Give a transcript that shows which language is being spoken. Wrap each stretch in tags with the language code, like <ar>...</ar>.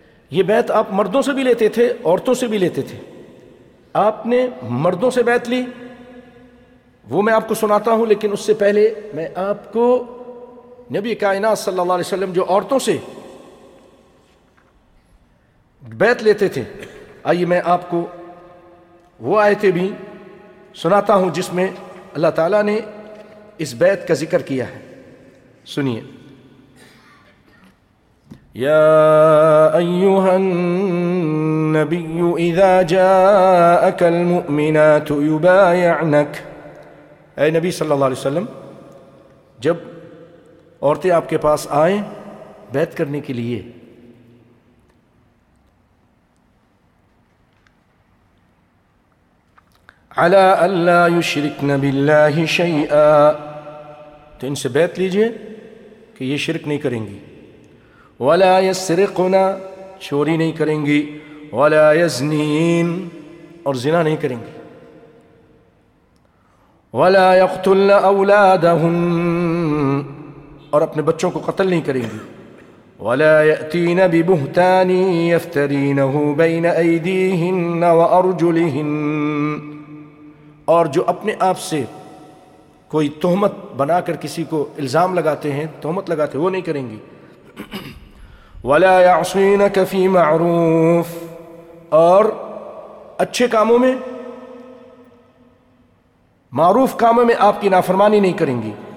<ur>یہ بیعت آپ مردوں سے بھی لیتے تھے، عورتوں سے بھی لیتے تھے. آپ نے مردوں سے بیعت لی، وہ میں آپ کو سناتا ہوں، لیکن اس سے پہلے میں آپ کو نبی کائنات صلی اللہ علیہ وسلم جو عورتوں سے بیعت لیتے تھے، آئیے میں آپ کو وہ آیتیں بھی سناتا ہوں جس میں اللہ تعالیٰ نے اس بیعت کا ذکر کیا ہے. سنیے،</ur> <ar>يا أيها النبي إذا جاءك المؤمنات يبايعنك.</ar> <ur>اے نبی صلی اللہ علیہ وسلم، جب عورتیں آپ کے پاس آئیں بیعت کرنے کے لیے،</ur> <ar>على الا يشركن بالله شيئا،</ar> <ur>تو ان سے بیعت لیجئے کہ یہ شرک نہیں کریں گی،</ur> <ar>ولا يسرقن</ar> <ur>چوری نہیں کریں گی،</ur> <ar>ولا يزنين</ar> <ur>اور زنا نہیں کریں گی،</ur> <ar>ولا يقتلن اولادهن</ar> <ur>اور اپنے بچوں کو قتل نہیں کریں گی،</ur> <ar>ولا ياتين ببهتان يفترينه بين ايديهن وارجلهن</ar> <ur>اور جو اپنے آپ سے کوئی تہمت بنا کر کسی کو الزام لگاتے ہیں، تہمت لگاتے ہیں، وہ نہیں کریں گی،</ur> <ar>ولا يعصينك في معروف</ar> <ur>اور اچھے کاموں میں، معروف کاموں میں آپ کی نافرمانی نہیں کریں گی،</ur>